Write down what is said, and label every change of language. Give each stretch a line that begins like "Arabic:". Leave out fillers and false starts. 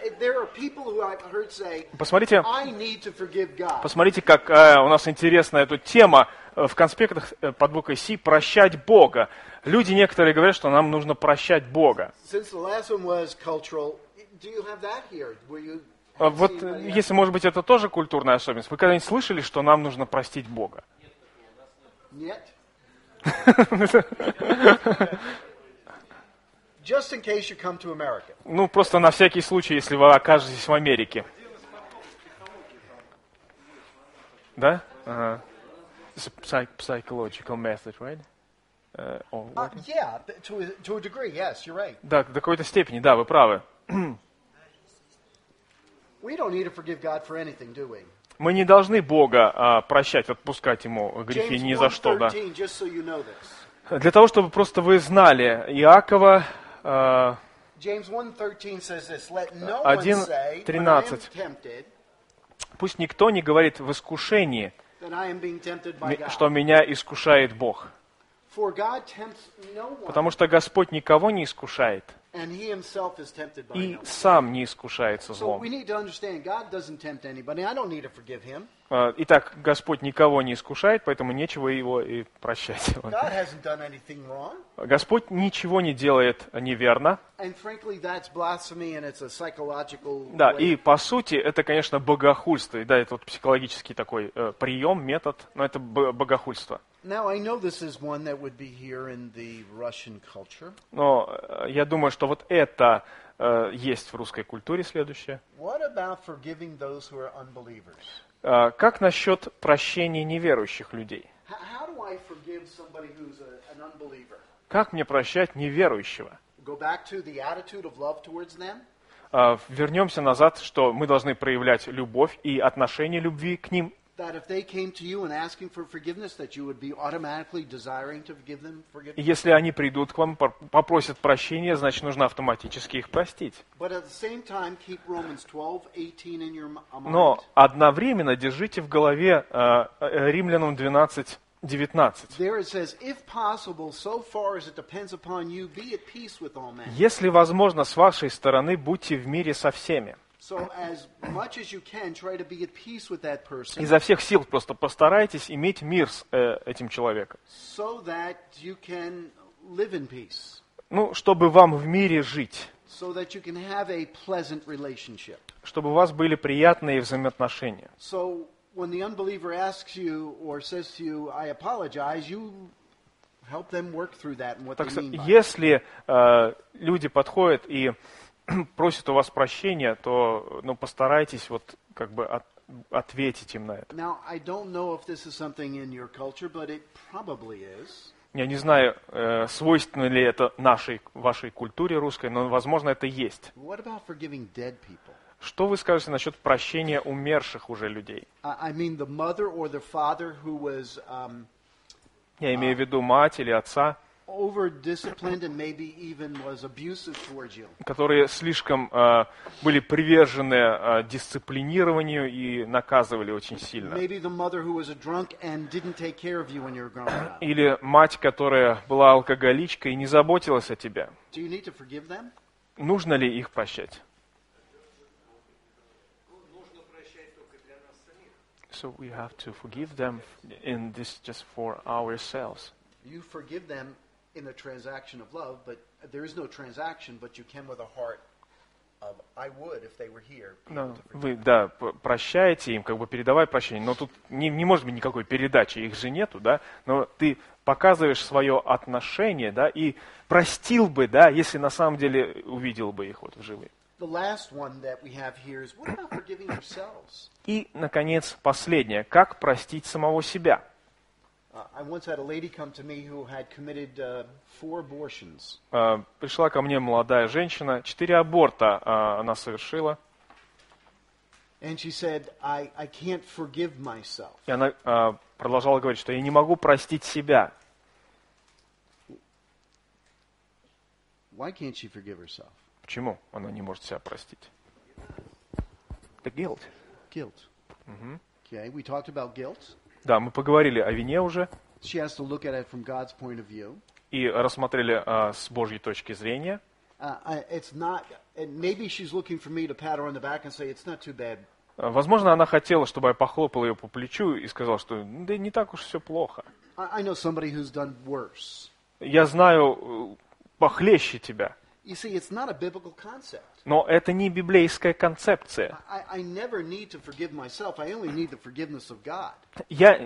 English: There are people who I've heard say, I need to forgive God.
Russian: Посмотрите, как у нас интересна эта тема в конспектах под буквой C прощать Бога. Люди некоторые говорят, что нам нужно прощать Бога.
English: Since the last one was cultural. Do you have that here? Were you?
Russian: Вот если, может быть, это тоже культурная особенность. Вы когда-нибудь слышали, что нам нужно простить Бога? Нет.
English: Just in case you come to America.
Russian: Ну просто на всякий случай, если вы окажетесь в Америке. Да?
English: Psychological method, right? To a degree, yes, you're right.
Russian: Да, до какой-то степени, да, вы правы.
English: We don't need to forgive God for anything, do we?
Russian: Мы не должны Бога прощать, отпускать ему грехи
English: James
Russian: ни за что,
English: 13,
Russian: да.
English: Just so you know this.
Russian: Для того, чтобы просто вы знали Иакова.
English: James 1:13 says this: Let no one say, when I am tempted.
Russian: Пусть никто не говорит в искушении,
English: that I am being tempted by God.
Russian: Что меня искушает Бог.
English: For God tempts no one.
Russian: Потому что Господь никого не искушает.
English: And he himself is tempted by
Russian: и сам не искушается злом.
English: So we need to understand God doesn't tempt anybody. I don't need to forgive him.
Russian: Итак, Господь никого не искушает, поэтому нечего его и прощать.
English: God hasn't done anything wrong.
Russian: Господь ничего не делает неверно.
English: And frankly, that's blasphemy, and it's a psychological way.
Russian: Да, и по сути, это, конечно, богохульство. И да, это вот психологический такой прием, метод, но это богохульство.
English: Now, I know this is one that would be here in the Russian culture.
Russian: Но я думаю, что вот это есть в русской культуре следующее.
English: What about forgiving those who are unbelievers?
Russian: Как насчет прощения неверующих людей?
English: How do I forgive somebody who's an unbeliever?
Russian: Как мне прощать неверующего?
English: Go back to the attitude of love towards them?
Russian: Вернемся назад, что мы должны проявлять любовь и отношение любви к ним.
English: That if they came to you and asking for forgiveness, that you would be automatically desiring to forgive them forgiveness.
Russian: Если они придут к вам, попросят прощения, значит, нужно автоматически их простить.
English: But at the same time, keep Romans 12:18 in your mind.
Russian: Но одновременно держите в голове Римлянам 12:19.
English: There it says, if possible, so far as it depends upon you, be at peace with all men.
Russian: Если возможно, с вашей стороны, будьте в мире со всеми.
English: So as much as you can, try to be at peace with that person.
Russian: Изо всех сил просто постарайтесь иметь мир с этим человеком.
English: So that you can live in peace.
Russian: Ну, чтобы вам в мире жить.
English: So that you can have a pleasant relationship.
Russian: Чтобы у вас были приятные взаимоотношения.
English: So when the unbeliever asks you or says to you, "I apologize," you help them work through that and what
Russian: так,
English: they mean by it.
Russian: Если люди подходят и просит у вас прощения, то ну, постарайтесь вот как бы ответить им на это.
English: Now, I don't know if this is something in your culture, but it probably is.
Russian: Я не знаю, свойственно ли это нашей, вашей культуре русской, но, возможно, это есть.
English: What about forgiving dead people?
Russian: Что вы скажете насчет прощения умерших уже людей?
English: I mean the mother or the father who was,
Russian: я имею в виду мать или отца,
English: over-disciplined and maybe even was abusive towards you.
Russian: Которые слишком были привержены дисциплинированию и наказывали очень сильно.
English: Maybe the mother who was a drunk and didn't take care of you when you were growing up.
Russian: Или мать, которая была алкоголичкой и не заботилась о тебе.
English: Do you need to forgive them?
Russian: Нужно ли их прощать? Нужно прощать только для нас самих.
English: So we have to forgive them in this just for ourselves. You forgive them in a transaction of love, but there is no transaction, but you came with a heart of I would if they were here.
Russian: No, вы, да, прощаете им, как бы передавая прощение, но тут не может быть никакой передачи, их же нету, да, но ты показываешь свое отношение, да, и простил бы, да, если на самом деле увидел бы их вот вживые.
English: The last one that we have here is what about forgiving yourselves?
Russian: И, наконец, последнее, как простить самого себя?
English: I once had a lady come to me who had committed four abortions.
Russian: Пришла ко мне молодая женщина, 4 аборта она совершила.
English: And she said, I can't forgive myself.
Russian: И она продолжала говорить, что я не могу простить себя.
English: Why can't she forgive herself?
Russian: Почему она не может себя простить?
English: The guilt. Guilt. Okay, we talked about guilt.
Russian: Да, мы поговорили о вине уже.
English: She has to look at it from God's point of view.
Russian: И рассмотрели с Божьей точки зрения.
English: It's not, and maybe she's looking for me to pat her on the back and say it's not too bad.
Russian: Возможно, она хотела, чтобы я похлопал ее по плечу и сказал, что да, не так уж все плохо.
English: I know somebody who's done worse.
Russian: Я знаю похлеще тебя.
English: You see, it's not a biblical concept.
Russian: Но это не библейская концепция.
English: I never need to forgive myself. I only need the forgiveness of God.